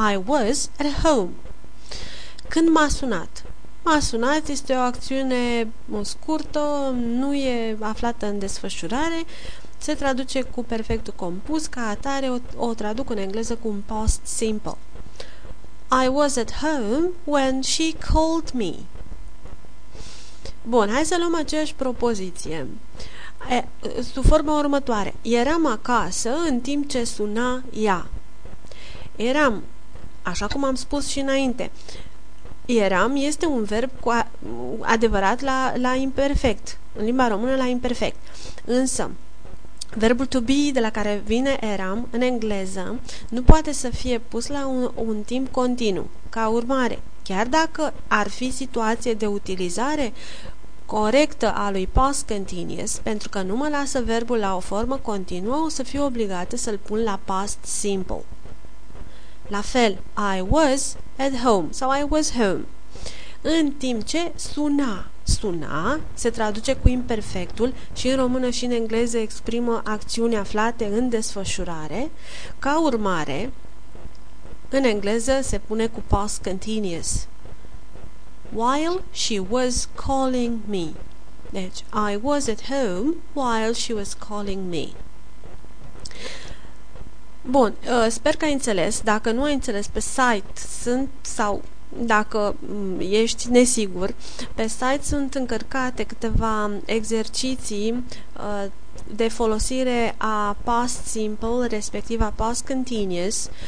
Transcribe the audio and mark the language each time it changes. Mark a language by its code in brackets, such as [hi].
[en] I was at home. [ro] Când m-a sunat? M-a sunat este o acțiune scurtă, nu e aflată în desfășurare, se traduce cu perfectul compus, ca atare o traduc în engleză cu un past simple. [en] I was at home when she called me. [ro] Bun, hai să luăm aceeași propoziție. Sub formă următoare. Eram acasă în timp ce suna ea. Eram, așa cum am spus și înainte, eram este un verb cu adevărat la imperfect, în limba română la imperfect. Însă, verbul to be, de la care vine eram, în engleză, nu poate să fie pus la un timp continuu. Ca urmare, chiar dacă ar fi situație de utilizare corectă a lui past continuous, pentru că nu mă lasă verbul la o formă continuă, o să fiu obligată să-l pun la past simple. La fel, [en] I was at home sau I was home. [ro] În timp ce suna. Suna se traduce cu imperfectul și în română și în engleză exprimă acțiuni aflate în desfășurare. Ca urmare, în engleză se pune cu past continuous. [en] While she was calling me. [ro] Deci, [en] I was at home while she was calling me. [ro] Bun, sper că ai înțeles. Dacă nu ai înțeles, pe site sunt, sau dacă ești nesigur, pe site sunt încărcate câteva exerciții de folosire a past simple, respectiv a past continuous.